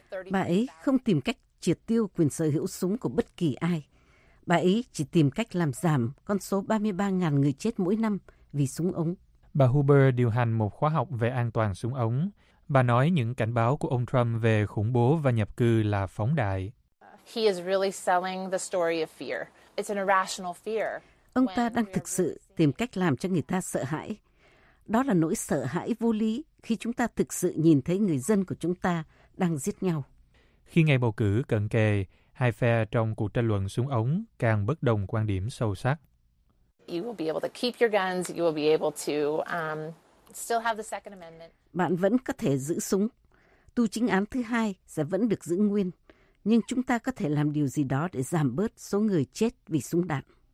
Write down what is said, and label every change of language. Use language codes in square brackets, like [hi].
[vi] Bà ấy không tìm cách triệt tiêu quyền sở hữu súng của bất kỳ ai. Bà ấy chỉ tìm cách làm giảm con số 33.000 người chết mỗi năm vì súng ống. Bà Huber điều hành một khóa học về an toàn súng ống. Bà nói những cảnh báo của ông Trump về khủng bố và nhập cư là phóng đại. [en] He is really selling the story of fear. It's an irrational fear. [vi] Ông ta đang thực sự tìm cách làm cho người ta sợ hãi. Đó là nỗi sợ hãi vô lý khi chúng ta thực sự nhìn thấy người dân của chúng ta đang giết nhau. Khi ngày bầu cử cận kề, hai phe trong cuộc tranh luận súng ống càng bất đồng quan điểm sâu sắc. [en] You will be able to keep your guns. You will be able to still have the Second Amendment. [vi] Bạn vẫn có thể giữ súng. Tu chính án thứ hai sẽ vẫn được giữ nguyên. Nhưng chúng ta có thể làm điều gì đó để giảm bớt số người chết vì súng đạn.